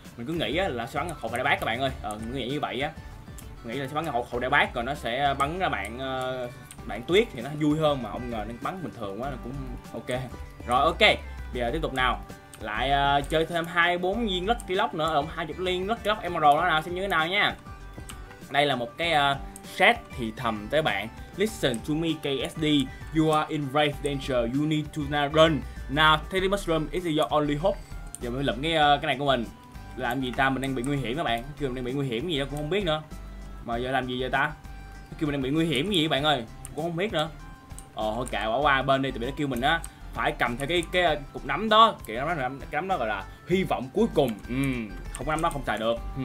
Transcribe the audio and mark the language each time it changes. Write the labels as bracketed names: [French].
[Vietnamese] Mình cứ nghĩ á là sẽ bắn hộp đại bác các bạn ơi. Mình nghĩ như vậy á. Mình nghĩ là sẽ bắn hộp đại bác rồi nó sẽ bắn ra bạn tuyết thì nó vui hơn, mà không ngờ nó bắn bình thường quá là cũng ok. Rồi ok, bây giờ tiếp tục nào. Lại chơi thêm 24 viên Lucky Lock nữa, lộn 20 liên Lucky Lock Emerald đó nào, xem như thế nào nha. Đây là một cái set thì thầm tới bạn. [English] Listen to me KSD, you are in grave danger, you need to now run. Now Teddy Mushroom is your only hope. [Vietnamese] Giờ mình lượm cái này của mình. Làm gì ta, mình đang bị nguy hiểm các bạn. Kêu mình đang bị nguy hiểm gì đó cũng không biết nữa. Mà giờ làm gì vậy ta? kêu mình đang bị nguy hiểm cái gì các bạn ơi, cũng không biết nữa. Ờ thôi kệ, bỏ qua bên đi, tụi bị nó kêu mình á phải cầm theo cái cục nấm đó, cái nấm đó gọi là hy vọng cuối cùng. Không có nấm đó không xài được.